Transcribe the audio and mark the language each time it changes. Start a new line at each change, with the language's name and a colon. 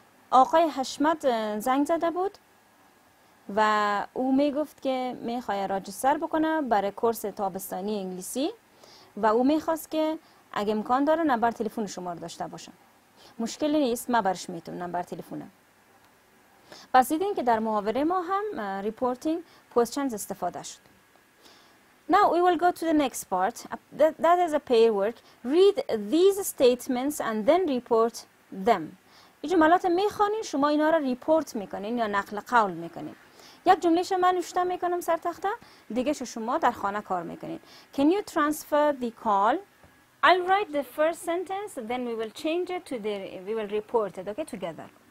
Persian: آقای حشمت زنگ زده بود و او می گفت که می خواهد راجستر بکنه برای کورس تابستانی انگلیسی و او می خواست که اگه امکان داره نمبر تلفن شما رو داشته باشم. مشکلی نیست، من برش می تونم نمبر تلفنم. پس دیدین که در محاوره ما هم
English: reporting questions
Persian: استفاده شد.
English: Now we will go to the next part. That is a pair work. Read these statements and then report them.
Persian: یه جملات میخوانین شما اینا را ریپورت میکنین یا نقل قول میکنین. یک جمله شما من نوشتم میکنم سر تخته دیگه شما در خانه کار میکنین.
English: Can you transfer the call? I'll write the first sentence then we will change it to the we will report it okay together.